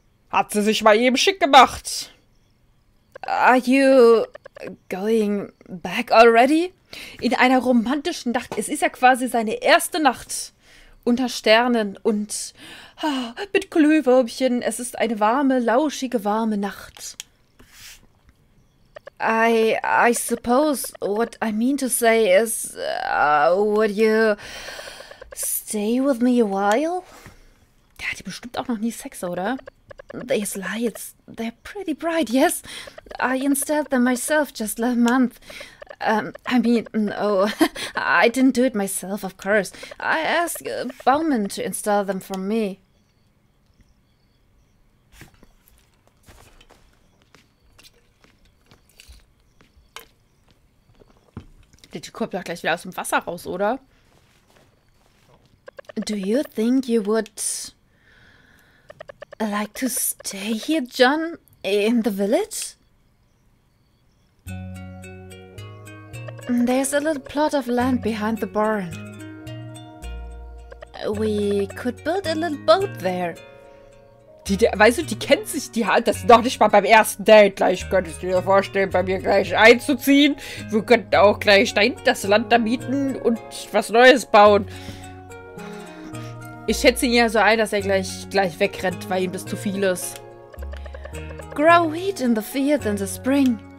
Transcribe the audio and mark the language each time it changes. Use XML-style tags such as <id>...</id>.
<de>Hat sie sich mal eben schick gemacht?</de> <en>Are you going back already?</en> <de>In einer romantischen Nacht. Es ist ja quasi seine erste Nacht unter Sternen und mit Glühwürmchen. Es ist eine warme, lauschige, warme Nacht.</de> <en>I suppose what I mean to say is, would you stay with me a while?</en> <de>Der hatte bestimmt auch noch nie Sex, oder?</de> <en>These lights, they're pretty bright, yes. I installed them myself just last month. I mean, no, I didn't do it myself, of course. I asked Bauman to install them for me.</en> <de>Der Typ kommt doch gleich wieder aus dem Wasser raus, oder?</de> <en>Do you think you would like to stay here, John, in the village? There's a little plot of land behind the barn. We could build a little boat there.</en> <de>Weißt du, die kennt sich, die hat das noch nicht mal beim ersten Date. Gleich könntest du dir vorstellen, bei mir gleich einzuziehen. Wir könnten auch gleich dahin das Land da mieten und was Neues bauen. Ich schätze ihn ja so ein, dass er gleich wegrennt, weil ihm das zu viel ist.</de> <en>Grow wheat in the field in the spring.</en>